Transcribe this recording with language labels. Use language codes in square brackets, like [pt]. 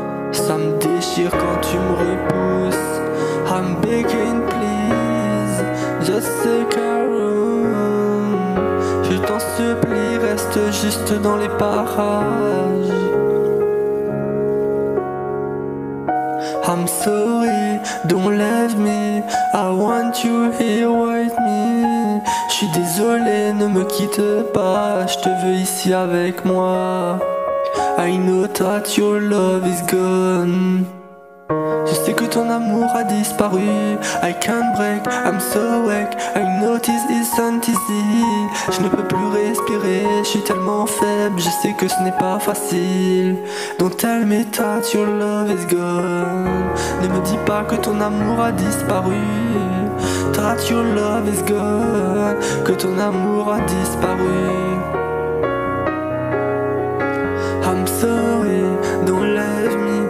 [fr] Ça me déchire quand tu me repousses. [en] I'm begging please, just stick around. [fr] Je t'en supplie, reste juste dans les parages. [en] I'm sorry, don't leave me. I want you here with me. [fr] J'suis désolé, ne me quitte pas. J'te veux ici avec moi. [en] I know that your love is gone. [fr] Je sais que ton amour a disparu. [en] I can't break, I'm so weak. I know this isn't easy. [fr] Je ne peux plus respirer, je suis tellement faible. Je sais que ce n'est pas facile. [en] Don't tell me that your love is gone. [fr] Ne me dis pas que ton amour a disparu. [en] That your love is gone. [fr] Que ton amour a disparu. [en] I'm sorry, don't leave me.